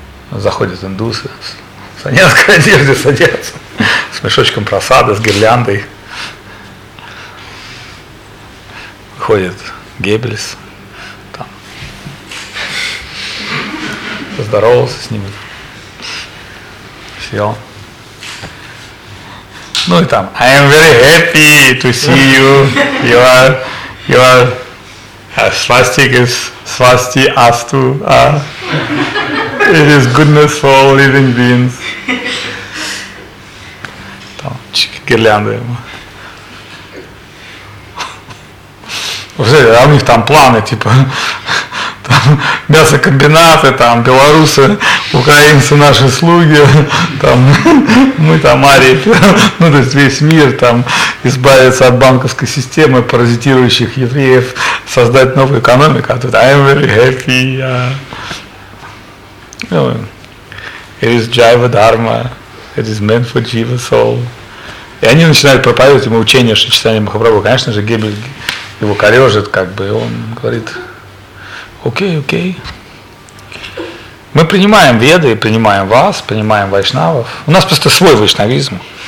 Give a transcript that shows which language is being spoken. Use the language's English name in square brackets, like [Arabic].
[Russian] Заходят индусы, в санитарной одежде садятся, с мешочком просады, с гирляндой. Выходит Геббельс, там, поздоровался с ними, сел. Ну и там, [English] I am very happy to see you, you are swastika astu, it is goodness for all living beings. [Russian] Там, гирлянды ему. А у них там планы, типа, там мясокомбинаты, там белорусы, украинцы наши слуги, там мы там арии, ну то есть весь мир там избавиться от банковской системы, паразитирующих евреев, создать новую экономику, а тут [English] I'm very happy. It is Jiva Dharma, it is meant for Jiva soul. [Russian] И они начинают проповедовать ему учение Шри Чайтанья Махапрабху. Конечно же, Геббельс его корежит, как бы, и он говорит: окей. Мы принимаем веды, принимаем вас, принимаем вайшнавов. У нас просто свой вайшнавизм.